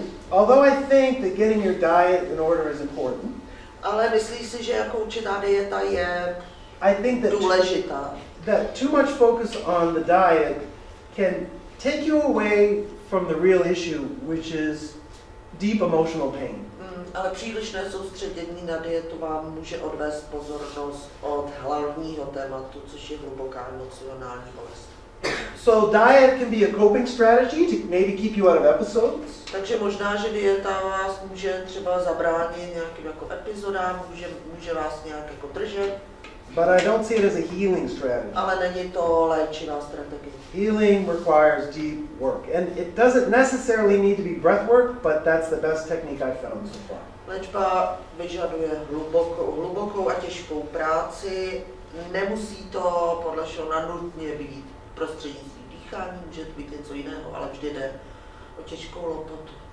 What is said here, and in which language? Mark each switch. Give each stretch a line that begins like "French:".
English: Although I think that getting your diet in order is important,
Czech: ale myslíš si, že jako určitá dieta je důležitá?
English: That too much focus on the diet can take you away from the real issue, which is deep emotional pain.
Czech: Ale přílišné soustředění na dietu vám může odvést pozornost od hlavního tématu, což je hluboká emocionální bolest.
English: So diet can be a coping strategy to maybe keep you out of episodes.
Czech: Takže možná, že dieta vás může třeba zabránit nějakým jako epizodám, může vás nějak jako držet.
English: But I don't see it as a healing strategy.
Czech: Ale není to léčivá strategie.
English: Healing requires deep work. And it doesn't necessarily need to be breath work, but that's the best technique I've found so far.
Czech: Léčba vyžaduje hlubokou a těžkou práci. Nemusí to podle Šona nutně být prostřednictvím dýchání, může to být něco jiného, ale vždy jde o těžkou lopotu.